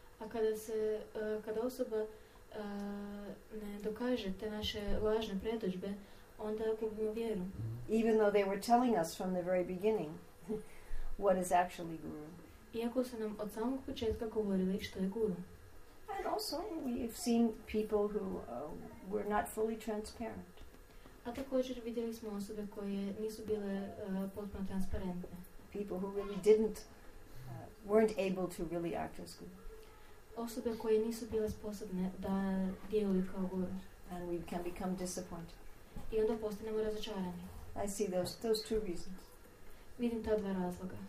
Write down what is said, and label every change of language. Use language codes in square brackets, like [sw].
[hr] A kada se kada osoba ne dokaže te naše lažne predodžbe, onda gubimo vjeru. [en] Even though they were telling us from the very beginning what is actually guru. [hr] Iako su nam od samog početka govorili što je guru. [en] And also we've seen people who were not fully transparent. [hr] A također vidjeli smo osobe koje nisu bile potpuno transparentne. [en] People who really didn't weren't able to really act as guru. [hr] Osobe koje nisu bile sposobne da djeluju kao guru. [en] And we can become disappointed. [hr] I onda postanemo razočarani. [en] I see those two reasons. [hr] Vidim ta dva razloga.